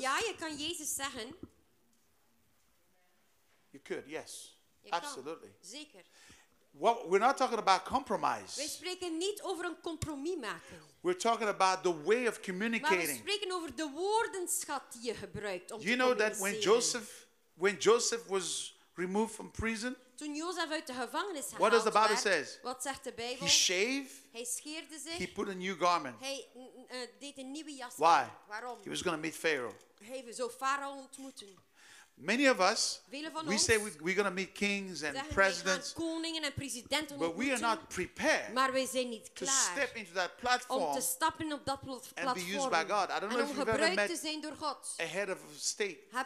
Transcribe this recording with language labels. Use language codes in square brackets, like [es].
[nl] Ja, je kan Jezus zeggen. [en] You could, yes. [nl] Je [en] absolutely. [nl] Kan. Zeker. [en] Well, we're not talking about compromise. [nl] We spreken niet over een compromis maken. [en] We're talking about the way of communicating. [nl] Maar we spreken over de woordenschat die je gebruikt om [en] you [nl] te [en] know that when Joseph was removed from prison, [nl] toen Jozef uit de gevangenis gehaald [en] what does the Bible [nl] werd, [en] says? [nl] Wat zegt de Bijbel? [en] He shaved. [nl] Hij scheerde zich. [en] He put a new garment. [nl] Hij deed een nieuwe jas. [en] Why? [nl] Waarom? [en] He was going to meet Pharaoh. [nl] Hij zou Farao ontmoeten. [en] Many of us, we say we're going to meet kings and presidents, but we are not prepared to step into that platform and be used by God. I don't know if you've ever met a head of state.